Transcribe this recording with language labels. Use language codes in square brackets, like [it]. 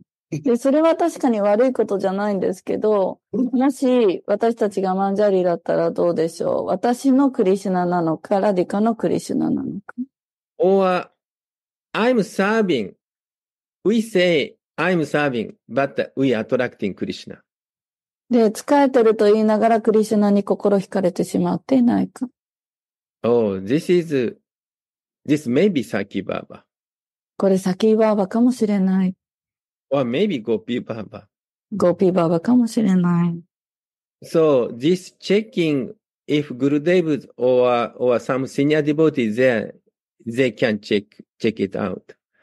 [ja] で、それは確かに悪いことじゃないんですけど、もし私たちがマンジャリだったらどうでしょう？私のクリシュナなのか、ラディカのクリシュナなのか。 [en] Or, I'm serving. We say, I'm serving, but we attracting Krishna. [ja] で、仕えてると言いながらクリシュナに心惹かれてしまっていないか。 [en] Oh, this may be Saki Baba. [ja] これサキバーバかもしれない。 [en] Or maybe Gopi Baba. [ja] Gopi Baba かもしれない。 [en] So, this checking if Gurudev or some senior devotee is there, they can check it out.